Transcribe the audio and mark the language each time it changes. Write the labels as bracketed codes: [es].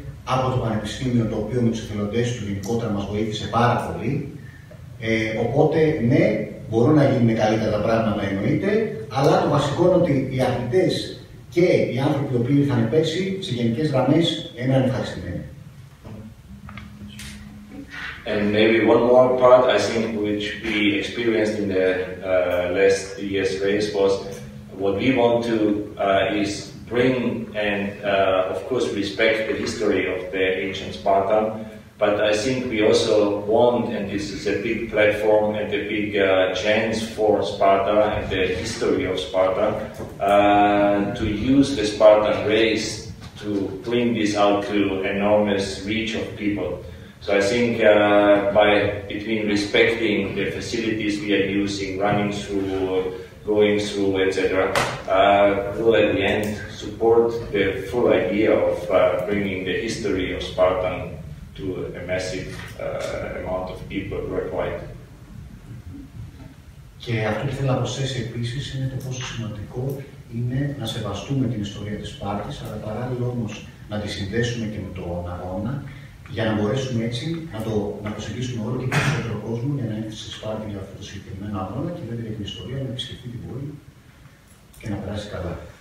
[el] Από το Πανεπιστήμιο, το οποίο με τους εθελοντές του γενικότερα μας βοήθησε πάρα πολύ. Οπότε, ναι, μπορούν να γίνουν καλύτερα τα πράγματα, εννοείται, αλλά το βασικό είναι ότι οι αθλητές και οι άνθρωποι οι οποίοι ήρθαν πέρσι, σε γενικές γραμμές, έμειναν ευχαριστημένοι. [en] And maybe one more part, I think, which we experienced in the last year's race was what we want to is bring and of course respect the history of the ancient Sparta, but I think we also want, and this is a big platform and a big chance for Sparta and the history of Sparta, to use the Spartan race to bring this out to enormous reach of people. So I think between respecting the facilities we are using, running through, going through, etc., will at the end support the full idea of bringing the history of Spartan to a massive amount of people worldwide. [el] Και αυτό που θέλω να προσθέσω επίσης είναι το πόσο σημαντικό είναι να σεβαστούμε την ιστορία της Σπάρτης, αλλά παράλληλα όμως να τη συνδέσουμε και με τον αγώνα, για να μπορέσουμε έτσι να προσεγγίσουμε όλο και περισσότερο κόσμο για να έρθει σε Σπάρτη για αυτό το συγκεκριμένο αγώνα και βέβαια για την ιστορία να επισκεφθεί την πόλη και να περάσει καλά.